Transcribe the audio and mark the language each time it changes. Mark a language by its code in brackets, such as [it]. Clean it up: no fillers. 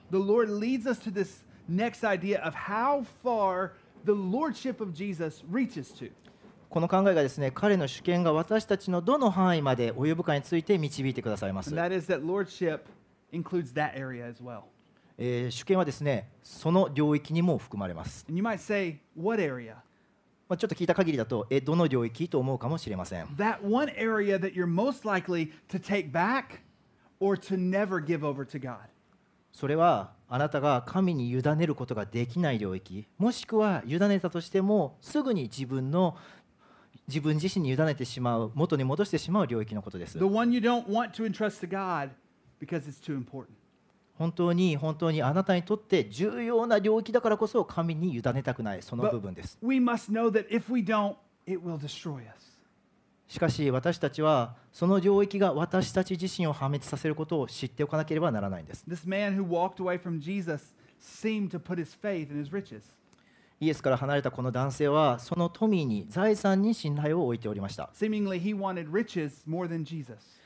[en] The Lord leads us to this next idea of how far the lordship of Jesus reaches to. [ja] この考えがですね、彼の主権が私たちのどの範囲まで及ぶかについて導いてくださいます。 [en] And that is that lordship includes that area as well. [ja] 主権はですね、その領域にも含まれます。 [en] And you might say, what area? [ja] ちょっと聞いた限りだと、どの領域と思うかもしれません。 [en] That one area that you're most likely to take back or to never give over to God. [ja] それはあなたが神に委ねることができない領域、もしくは委ねたとしてもすぐに自分自身に委ねてしまう、元に戻してしまう領域のことです。 [en] The one you don't want to entrust to God because it's too important. [ja] 本当に本当にあなたにとって重要な領域だからこそ神に委ねたくない、その部分です。 [en] But we must know that if we don't, it will destroy us. [ja] しかし私たちはその領域が私たち自身を破滅させることを知っておかなければならないんです。 [en] This man who walked away from Jesus seemed to put his faith in his riches. [ja] イエスから離れたこの男性はその富に、財産に信頼を置いておりました。 [en] Seemingly he wanted riches more than Jesus.